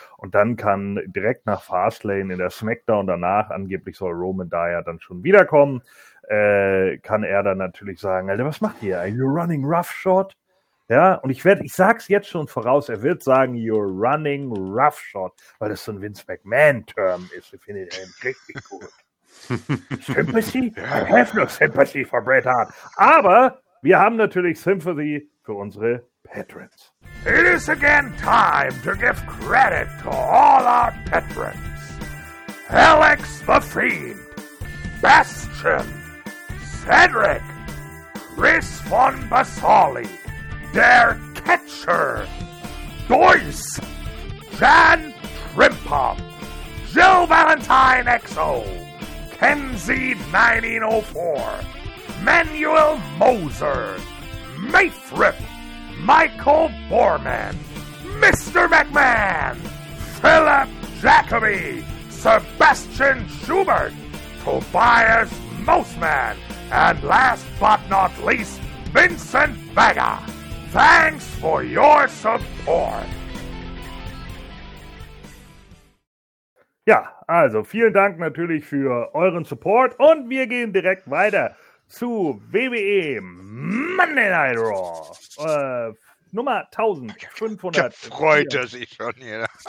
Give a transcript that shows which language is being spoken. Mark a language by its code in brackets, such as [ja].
[de] Und dann kann direkt nach Fastlane in der Smackdown danach, angeblich soll Roman da ja dann schon wiederkommen, kann er dann natürlich sagen, Alter, was macht ihr? [en] Are you running roughshod? [de] Ja, und ich sag's jetzt schon voraus, er wird sagen, [en] you're running roughshod, [de] weil das so ein Vince McMahon-Term ist. Ich finde ihn richtig gut. [en] Sympathy? I have no sympathy for Bret Hart. [de] Aber wir haben natürlich Sympathy für unsere Patrons. [en] It is again time to give credit to all our Patrons. Alex the Fiend, Bastion, Cedric, Chris von Basali, Der Catcher, Deuce, Jan Trimpop, Jill Valentine XO, Kenzie 1904, Manuel Moser, Mayfrip, Michael Borman, Mr. McMahon, Philip Jacoby, Sebastian Schubert, Tobias Mouseman, and last but not least, Vincent Vega. Thanks for your support. [de] Ja, also vielen Dank natürlich für euren Support und wir gehen direkt weiter zu WWE Monday Night Raw. Nummer 1584. Gefreut er sich schon hier.